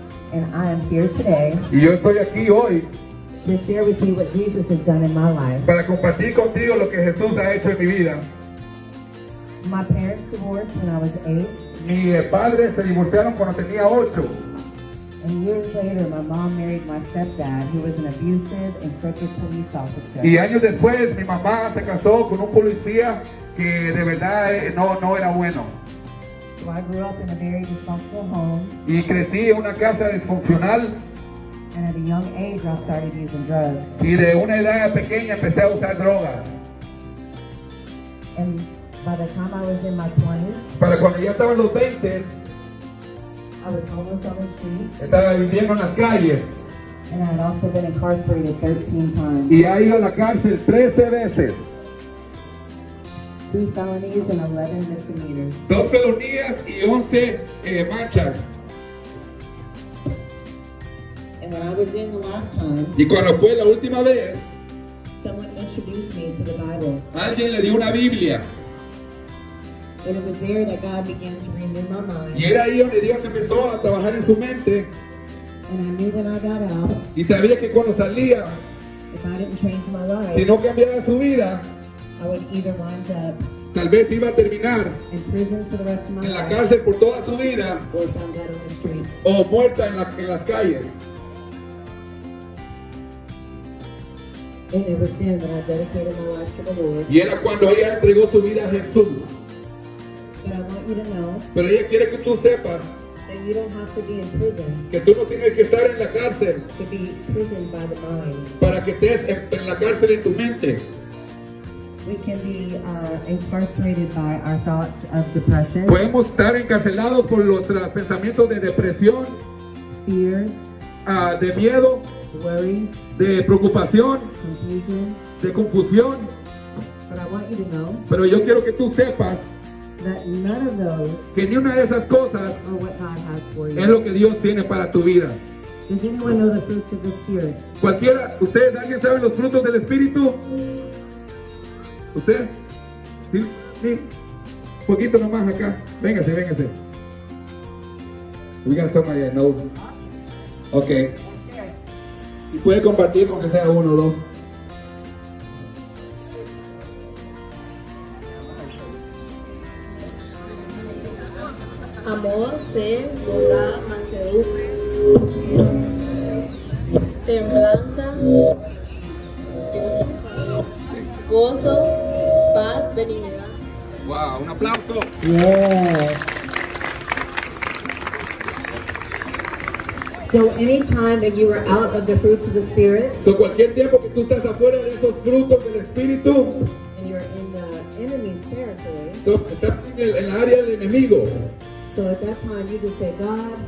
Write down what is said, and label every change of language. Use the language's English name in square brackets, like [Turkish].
[English] And I am here today to share with you what Jesus has done in my life. [Spanish] Para compartir contigo lo que Jesús ha hecho en mi vida. [English] My parents divorced when I was 8. [Spanish] Mi padre se divorciaron cuando tenía 8. [English] And years later, my mom married my stepdad, who was an abusive and crooked police officer. [Spanish] Y años después, mi mamá se casó con un policía que de verdad no era bueno. [English] So I grew up in a very dysfunctional home. [Spanish] Y crecí en una casa disfuncional. [English] And at a young age, I started using drugs. [Spanish] Y de una edad pequeña empecé a usar droga. [English] And by the time I was in my 20s, [Spanish] para cuando ya estaba en los 20, [English] I was homeless on the street. [Spanish] Estaba viviendo en las calles. [English] And I had also been incarcerated 13 times. [Spanish] Y ha ido a la cárcel 13 veces. [English] 2 felonies and 11 misdemeanors. [Spanish] 2 felonías y 11 manchas. [English] And when I was in the last time, [Spanish] y cuando fue la última vez, [English] someone introduced me to the Bible. [Spanish] Alguien le dio una Biblia. [English] And it was there that God began to renew my mind. [Spanish] Y era ahí donde Dios empezó a trabajar en su mente. [English] And I knew when I got out, [Spanish] y sabía que cuando salía, [English] if I didn't change my life, [Spanish] si no cambiaba su vida, [English] I would either wind up [Spanish] tal vez iba a terminar [English] in prison for the rest of my [Spanish] en la cárcel [English] life, [Spanish] por toda su vida [English] or found dead on the street. [Spanish] O muerta en las calles. [English] And it was then that I dedicated my life to the Lord. [Spanish] Y era cuando ella entregó su vida a Jesús. [English] But I want you to know. [Spanish] Pero ella quiere que tú sepas. [English] That you don't have to be in prison. [Spanish] Que tú no tienes que estar en la cárcel. [English] To be prison by the mind. [Spanish] Para que estés en la cárcel en tu mente. [English] We can be incarcerated by our thoughts of depression. [Spanish] Podemos estar encarcelados por nuestros pensamientos de depresión. [English] Fear. [Spanish] De miedo. [English] Worry, [Spanish] de preocupación, [English] confusion, [Spanish] de confusión. [English] But I want you to know, [Spanish] pero yo quiero que tú sepas [English] that none of those, [Spanish] que ni una de esas cosas es lo que Dios tiene para tu vida. [English] Does anyone know the fruits of the Spirit? [Spanish] Cualquiera, ustedes, ¿alguien sabe los frutos del Espíritu? ¿Usted? ¿Sí? ¿Sí? Un poquito nomás acá. Véngase, véngase. [English] We got somebody that knows. Ok. [Spanish] Y puede compartir con que sea uno o dos. Amor, fe, bondad, mansedumbre, templanza, gozo, paz, benignidad. ¡Wow! ¡Un aplauso! [English] Yeah. So any time that you are out of the fruits of the Spirit, [Spanish] so cualquier tiempo que tú estás afuera de esos frutos del Espíritu, [English] and you are in the enemy's territory, [Spanish] so estás en el área del enemigo, [English] so at that time you just say, God,